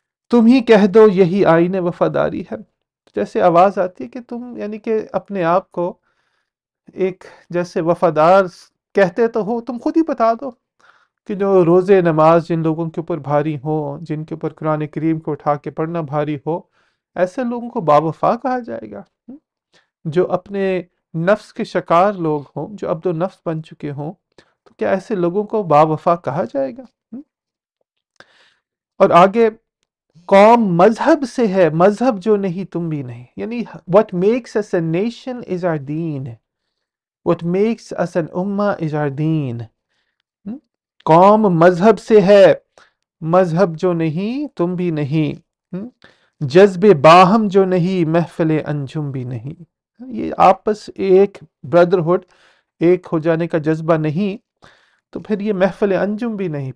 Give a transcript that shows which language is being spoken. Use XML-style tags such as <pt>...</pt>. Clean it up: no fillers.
<ur>تم ہی کہہ دو یہی آئین وفاداری ہے، جیسے آواز آتی ہے کہ تم، یعنی کہ اپنے آپ کو ایک جیسے وفادار کہتے تو ہو، تم خود ہی بتا دو کہ جو روزے نماز جن لوگوں کے اوپر بھاری ہو، جن کے اوپر قرآن کریم کو اٹھا کے پڑھنا بھاری ہو، ایسے لوگوں کو باوفا کہا جائے گا. جو اپنے نفس کے شکار لوگ ہوں، جو عبد و نفس بن چکے ہوں، تو کیا ایسے لوگوں کو باوفا کہا جائے گا؟ اور آگے قوم مذہب سے ہے، مذہب جو نہیں تم بھی نہیں.</ur> <en>یعنی what makes us a nation is our deen. What makes us an ummah is our deen.</en> <ur>قوم مذہب سے ہے، مذہب جو نہیں تم بھی نہیں. جذب باہم جو نہیں، محفل انجم بھی نہیں. یہ آپس ایک بردرہڈ، ایک ہو جانے کا جذبہ نہیں تو پھر یہ محفل انجم بھی نہیں.</ur>